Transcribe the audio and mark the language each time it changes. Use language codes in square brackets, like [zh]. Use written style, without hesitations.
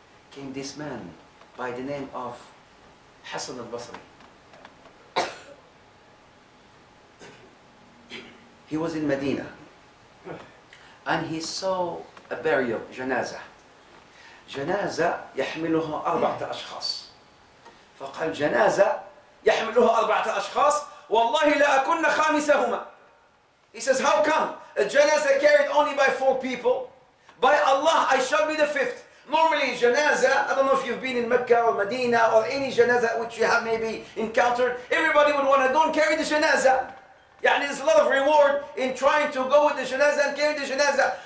[en] Came this man by the name of Hassan al-Basri. He was in Medina. And he saw a burial, janazah. [ar] Janazah يحملها أربعة أشخاص. فقال جنازة يحملها أربعة أشخاص والله لا أكون خامسهما. [en] He says, how come a janazah carried only by four people? By Allah, I shall be the fifth. Normally, janazah, I don't know if you've been in Mecca or Medina or any janazah which you have maybe encountered, everybody would want to go and carry the janazah. Yeah, there's a lot of reward in trying to go with the janazah and carry the janazah.